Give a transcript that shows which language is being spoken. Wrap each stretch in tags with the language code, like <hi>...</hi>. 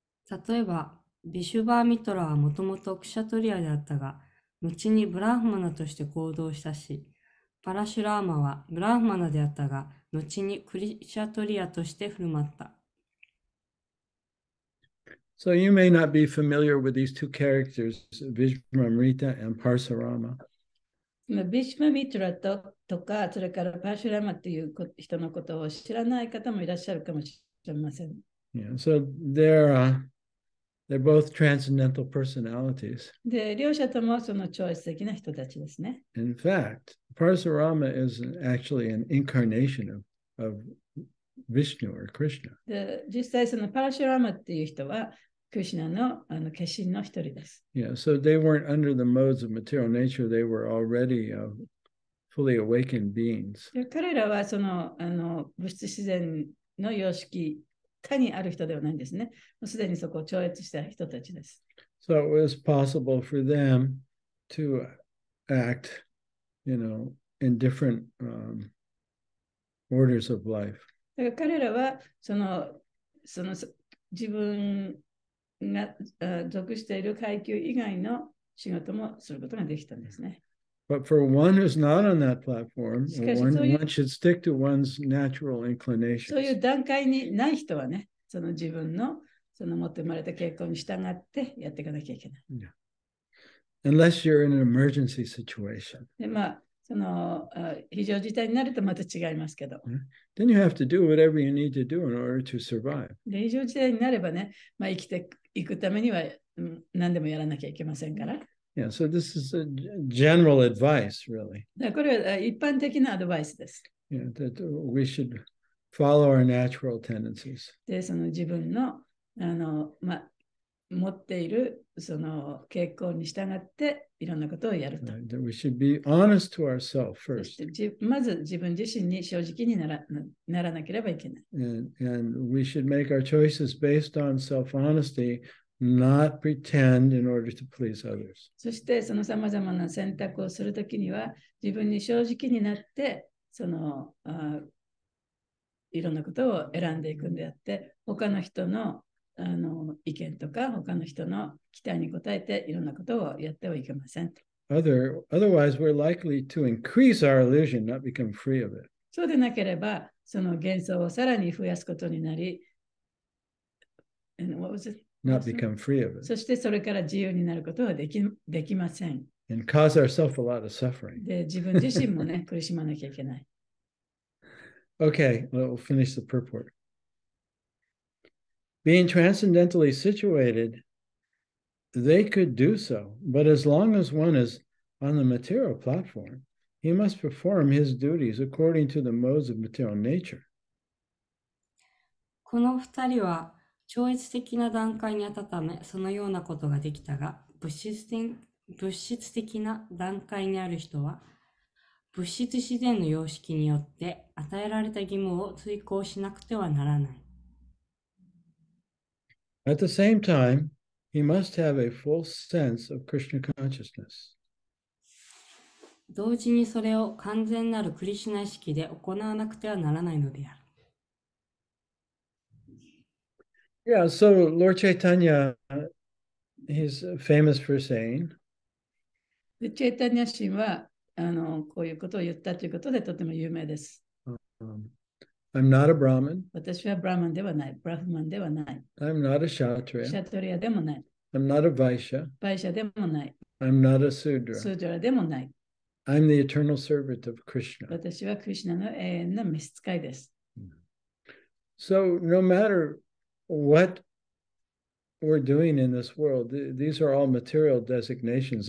<ja>例えば、ビシュバーミトラはもともとクシャトリアであったが、後にブラフマナとして行動したし、パラシュラーマはブラフマナであったが、後にクリシャトリアとして振る舞った。</ja> <en>So you may not be familiar with these two characters, Visvamrita and Parasurama.</en> <ja>Visvamitra とか、それからパーシュラーマという人のことを知らない方もいらっしゃるかもしれません。</ja> <en>Yeah, so they're both transcendental personalities.</en> <ja>で、両者ともその超越的な人たちですね。</ja> <en>In fact, Parasurama is actually an incarnation of Vishnu or Krishna.</en> <ja>で、実際そのパーシュラーマっていう人は、クリシナの、あの化身の一人です。</ja> <en>Yeah, so they weren't under the modes of material nature. They were already fully awakened beings.</en> <ja>彼らはその、あの物質自然の様式下にある人ではないんですね。もうすでにそこを超越した人たちです。</ja> <en>So it was possible for them to act, you know, in different orders of life.</en> <ja>だから彼らはその自分が属している階級以外の仕事もすることができたんですね。</ja> <en>But for one who's not on that platform, one should stick to one's natural inclinations.</en> <ja>そういう段階にない人はね、その自分のその持って生まれた傾向に従ってやっていかなきゃいけない。</ja> <en>Yeah. Unless you're in an emergency situation.</en> <ja>で、まあ、その非常事態になるとまた違いますけど。</ja> <en>Then you have to do whatever you need to do in order to survive.</en> <ja>で、非常事態になればね、まあ生きていくためには何でもやらなきゃいけませんから。</ja> <en>Yeah, so this is a general advice, really.</en> <ja>これは一般的なアドバイスです。</ja> <en>Yeah, that we should follow our natural tendencies.</en> <ja>で、その自分の、あの、ま、持っているその傾向に従っていろんなことをやると。</ja> <en>Right, that we should be honest to ourselves first.</en> <ja>まず自分自身に正直にならなければいけない。</ja> <en>And we should make our choices based on self-honesty. Not pretend in order to please others.</en> <ja>そしてそのさまざまな選択をするときには自分に正直になってそのいろんなことを選んでいくんであって他の人の、あの意見とか他の人の期待に応えていろんなことをやってはいけませんと。</ja> <en>Otherwise, we're likely to increase our illusion, not become free of it.</en> <ja>そうでなければその幻想をさらに増やすことになり、</ja> <en>Not become free of it.</en> <ja>そしてそれから自由になることはできません。</ja> <en>And cause ourselves a lot of suffering.</en> <ja>で、自分自身もね、苦しまなきゃいけない。</ja> <en>Okay, we'll finish the purport. Being transcendentally situated, they could do so, but as long as one is on the material platform, he must perform his duties according to the modes of material nature.</en> <ja>この二人は超越的な段階にあたため、そのようなことができたが、物質的な段階にある人は、物質自然の様式によって与えられた義務を遂行しなくてはならない。</ja> <en>At the same time, he must have a full sense of Krishna consciousness.</en> <ja>同時にそれを完全なるクリシュナ意識で行わなくてはならないのである。</ja> <en>Yeah, so Lord Chaitanya, he's famous for saying.</en> <ja>Chaitanya 神はあのこういうことを言ったということでとても有名です。</ja> <en>I'm not a Brahmin.</en> <ja>私はブラーマンではない。ブラフマンではない。</ja> <en>I'm not a Kshatriya.</en> <ja>シャトリアでもない。</ja> <en>I'm not a Vaishya.</en> <ja>バイシャでもない。</ja> <en>I'm not a Sudra.</en> <ja>スードラでもない。</ja> <en>I'm the eternal servant of Krishna.</en> <ja>私はクリシュナの永遠の召使いです。</ja> <en>So no matter what we're doing in this world, these are all material designations.</en>